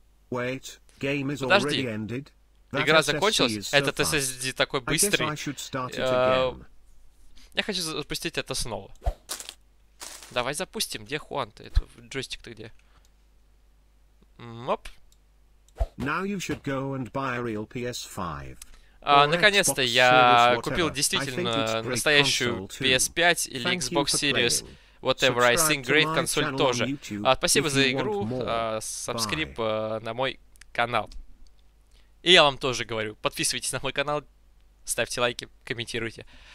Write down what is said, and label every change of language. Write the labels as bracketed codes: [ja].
[en] Wait, game is already ended. [ru] Игра закончилась? Этот SSD такой быстрый. Я хочу запустить это снова. Давай запустим. Где Хуан-то? Это джойстик-то где? Оп. [en] Now you should go and buy a real PS5. [ru] Наконец-то я купил действительно настоящую PS5 или Xbox Series, [en] whatever, I think great [ru] консоль тоже. Спасибо за игру, сабскрип на мой канал. И я вам тоже говорю, подписывайтесь на мой канал, ставьте лайки, комментируйте.